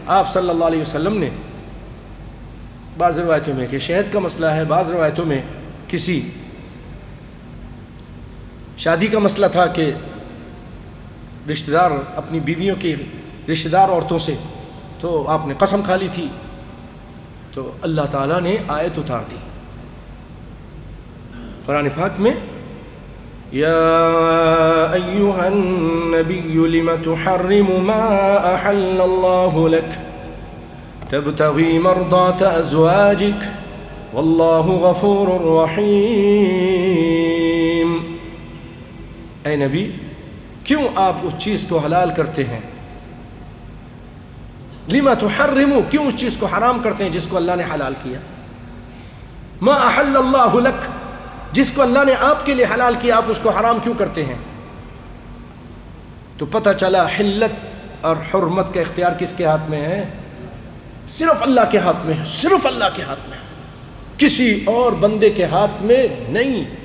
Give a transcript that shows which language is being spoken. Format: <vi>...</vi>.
<ur>آپ صلی اللہ علیہ وسلم نے بعض روایتوں میں کہ شہد کا مسئلہ ہے، بعض روایتوں میں کسی شادی کا مسئلہ تھا کہ رشتہ دار، اپنی بیویوں کی رشتہ دار عورتوں سے، تو آپ نے قسم کھا لی تھی، تو اللہ تعالیٰ نے آیت اتار دی قرآن پاک میں،</ur> <ar>يا أيها النبي لم تحرم ما أحل الله لك تبتغي مرضات أزواجك والله غفور رحيم.</ar> <ur>أي نبي کیوں آپ اس چیز کو حلال کرتے ہیں؟</ur> <ar>لما تحرمو</ar> <ur>کیوں اس چیز کو حرام کرتے ہیں جس کو اللہ نے حلال کیا؟</ur> <ar>ما احل اللہ لک</ar> <ur>جس کو اللہ نے آپ کے لیے حلال کیا آپ اس کو حرام کیوں کرتے ہیں؟ تو پتہ چلا حلت اور حرمت کا اختیار کس کے ہاتھ میں ہے؟ صرف اللہ کے ہاتھ میں ہے، صرف اللہ کے ہاتھ میں ہے، کسی اور بندے کے ہاتھ میں نہیں.</ur>